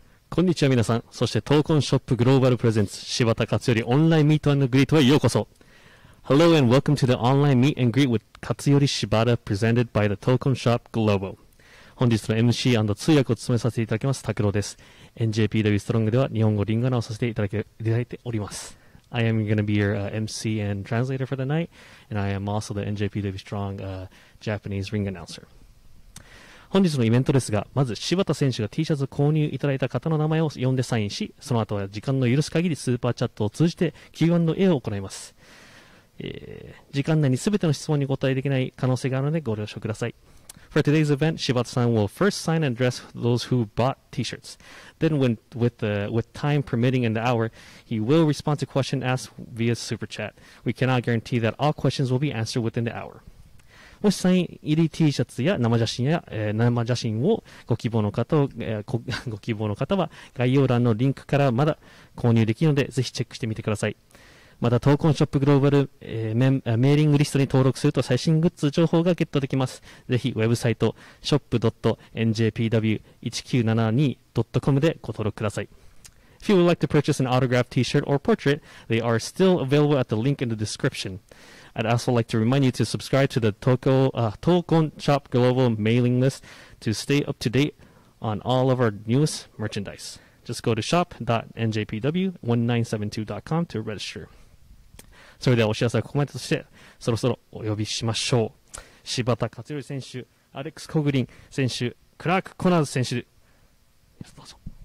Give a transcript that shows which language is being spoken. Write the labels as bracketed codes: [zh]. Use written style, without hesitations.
[ja] こんにちは皆さん、そして闘魂ショップグローバルプレゼンツ柴田勝頼オンラインミート&グリートへようこそ。 [en] Hello and welcome to the online meet and greet with 勝頼 Shibata presented by the 闘魂 Shop Global。 [ja] 本日の MC& 通訳を務めさせていただきます拓郎です。 NJPW Strong では日本語リンガナをさせていただいております。 [en] I am going to be your MC and translator for the night, and I am also the NJPW Strong Japanese ring announcer。 [ja] 本日のイベントですが、まず柴田選手が T シャツを購入いただいた方の名前を呼んでサインし、その後は時間の許す限りスーパーチャットを通じて Q&A を行います。時間内にすべての質問に答えできない可能性があるのでご了承ください。 [en] For today's event, 柴田さん will first sign and address those who bought T-shirts. Then when, with time permitting and the hour, he will respond to questions asked via super chat. We cannot guarantee that all questions will be answered within the hour. [ja] もしサイン入り T シャツや生写真をご希望の方、ご希望の方は概要欄のリンクからまだ購入できるのでぜひチェックしてみてください。また闘魂ショップグローバル、メーリングリストに登録すると最新グッズ情報がゲットできます。ぜひウェブサイト shop.njpw1972.com でご登録ください。 [en] If you would like to purchase an autographed T-shirt or portrait, they are still available at the link in the description. I'd also like to remind you to subscribe to the TOKON Shop Global mailing list to stay up to date on all of our newest merchandise. Just go to shop.njpw1972.com to register. [ja] それではお知らせはここまでとして、そろそろお呼びしましょう。柴田勝頼選手、アレックス・コグリン選手、クラーク・コナーズ選手、どうぞ。